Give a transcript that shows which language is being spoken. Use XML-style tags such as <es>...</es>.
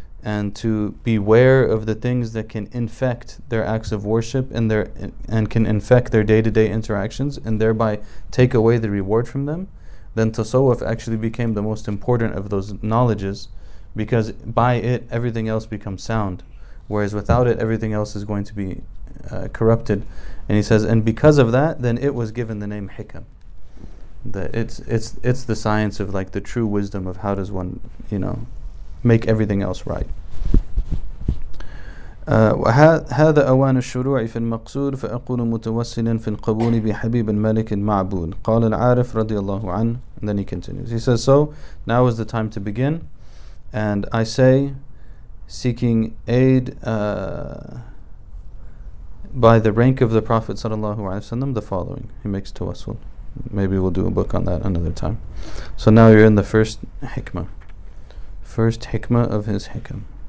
<en>and to beware of the things that can infect their acts of worship and can infect their day-to-day interactions, and thereby take away the reward from them, then tasawwuf actually became the most important of those knowledges, because by it, everything else becomes sound, whereas without it, everything else is going to be corrupted. And he says, and because of that, then it was given the name hikam. That it's the science of like the true wisdom of how does one, you know, make everything else right.</en> <ar>هذا أوان الشروع في المقصود فأقول متوسلا في القبول بحبيب الملك المعبود قال العارف رضي الله عنه.</ar> <en>Then he continues. He says, so now is the time to begin, and I say, seeking aid by the rank of the Prophet sallallahu alaihi wasallam, the following. He makes tawassul. Maybe we'll do a book on that another time. So now you're in the first hikmah. First hikmah of his hikam.</en>